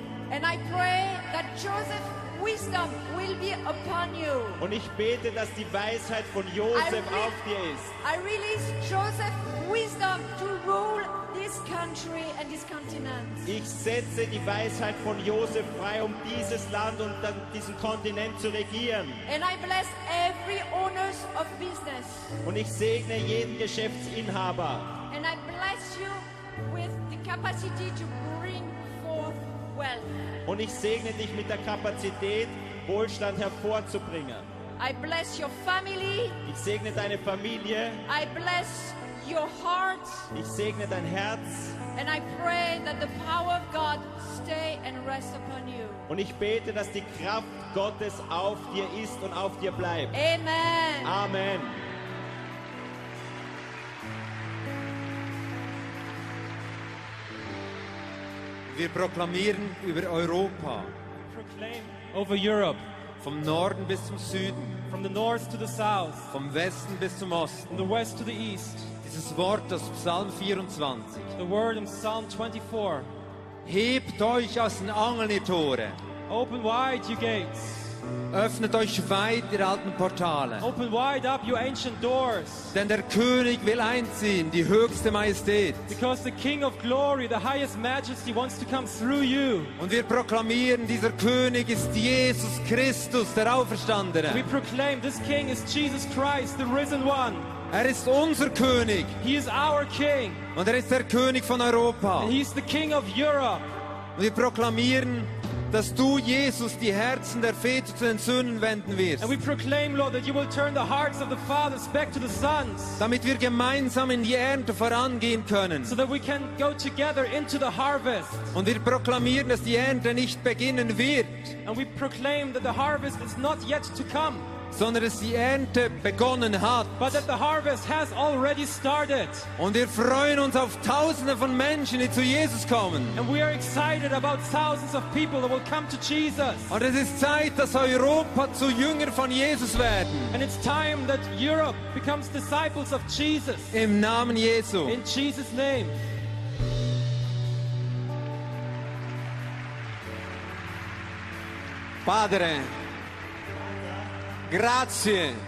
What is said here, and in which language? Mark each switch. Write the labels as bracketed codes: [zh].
[en] And I pray that Joseph wisdom will be upon you. [de] Und ich bete, dass die Weisheit von Joseph auf dir ist. [en] I release Joseph wisdom to rule this country and this continent. [de] Ich setze die Weisheit von Joseph frei, um dieses Land und dann diesen Kontinent zu regieren. [en] And I bless every owners of business. [de] Und ich segne jeden Geschäftsinhaber. [en] And I bless you with the capacity to bring forth wealth. [de] Und ich segne dich mit der Kapazität, Wohlstand hervorzubringen. [en] I bless your family. [de] Ich segne deine Familie. [en] I bless your heart. [de] Ich segne dein Herz. [en] And I pray that the power of God stay and rest upon you. [de] Und ich bete, dass die Kraft Gottes auf dir ist und auf dir bleibt. [en] Amen. [de] Amen. Wir proklamieren über Europa. [en] Proclaim over Europe. [de] Vom Norden bis zum Süden. [en] From the north to the south. [de] Vom Westen bis zum Osten. [en] From the west to the east. [de] Dieses Wort aus Psalm 24. [en] The word in Psalm 24. [de] Hebt euch aus den Angeln, ihr Tore. [en] Open wide your gates. [de] Öffnet euch weit, ihr alten Portale. [en] Open wide up your ancient doors. [de] Denn der König will einziehen, die höchste Majestät. [en] Because the King of Glory, the highest majesty, wants to come through you. [de] Und wir proklamieren, dieser König ist Jesus Christus, der Auferstandene. [en] We proclaim this King is Jesus Christ, the risen one. [de] Er ist unser König. [en] He is our King. [de] Und er ist der König von Europa. [en] And he is the King of Europe. [de] Und wir proklamieren, dass du, Jesus, die Herzen der Väter zu den Söhnen wenden wirst. [en] And we proclaim, Lord, that you will turn the hearts of the fathers back to the sons. [de] Damit wir gemeinsam in die Ernte vorangehen können. [en] So that we can go together into the harvest. [de] Und wir proklamieren, dass die Ernte nicht beginnen wird. [en] And we proclaim that the harvest is not yet to come. [de] Sondern dass die Ernte begonnen hat. [en] But that the harvest has already started. [de] Und wir freuen uns auf Tausende von Menschen, die zu Jesus kommen. [en] And we are excited about thousands of people that will come to Jesus. [de] Und es ist Zeit, dass Europa zu Jünger von Jesus werden. [en] And it's time that Europe becomes disciples of Jesus. [de] Im Namen Jesu. [en] In Jesus' name. [it] Padre. Grazie.